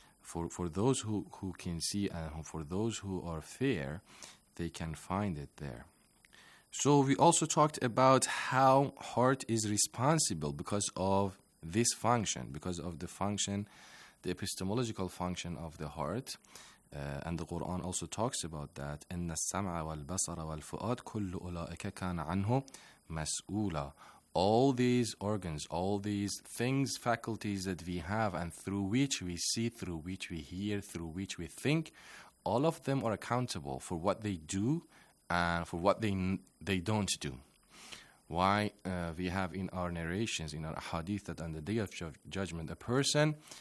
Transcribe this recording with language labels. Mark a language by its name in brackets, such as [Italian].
[English] For those who can see, and for those who are fair, they can find it there. So we also talked about how heart is responsible because of this function, because of the function, the epistemological function of the heart. And the Quran also talks about that. [Arabic] إن السمع والبصر والفؤاد كل أولئك كان عنه مسؤولا. [English] All these organs, all these things, faculties that we have, and through which we see, through which we hear, through which we think, all of them are accountable for what they do and for what they don't do. Why we have in our narrations, in our hadith, that on the day of judgment, a person